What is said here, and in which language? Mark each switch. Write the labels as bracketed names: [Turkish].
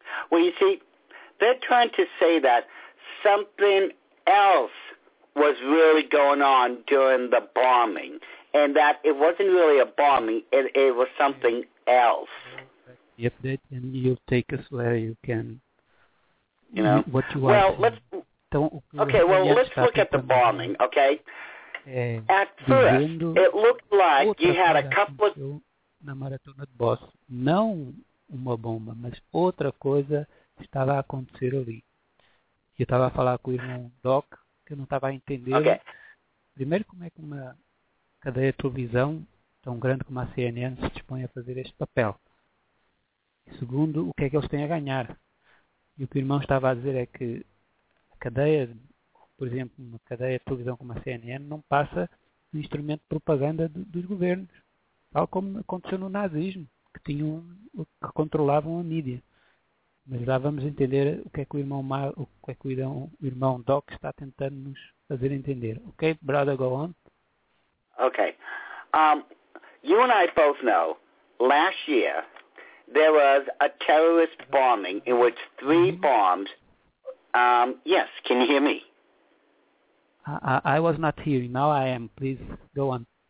[English] Well, you see, they're trying to say that something else was really going on during the bombing and that it wasn't really a bombing, it was something else. Yep, and you take us where you can, you know, what you want. Well, let's look at the bombing, okay? At first, it looked like you had a couple of... [Portuguese] Na maratona de Boston, não uma bomba, mas outra coisa estava a acontecer ali. Eu estava a falar com o irmão Doc, que eu não estava a entender. Okay. Primeiro, como é que uma cadeia de televisão tão grande como a CNN se dispõe a fazer este papel? E segundo, o que é que eles têm a ganhar? E o que o irmão estava a dizer é que a cadeia... Por exemplo, uma cadeia de televisão como a CNN não passa um instrumento de propaganda dos governos. tal como aconteceu no nazismo, que tinham, que controlavam a mídia. Mas lá vamos entender o que é que o irmão Doc está tentando nos fazer entender. [English] Ok, brother, go on. Okay. You and I both know, last year there was a terrorist bombing in which three bombs. Yes, can you hear me? I was not hearing. Now I am. Please go on.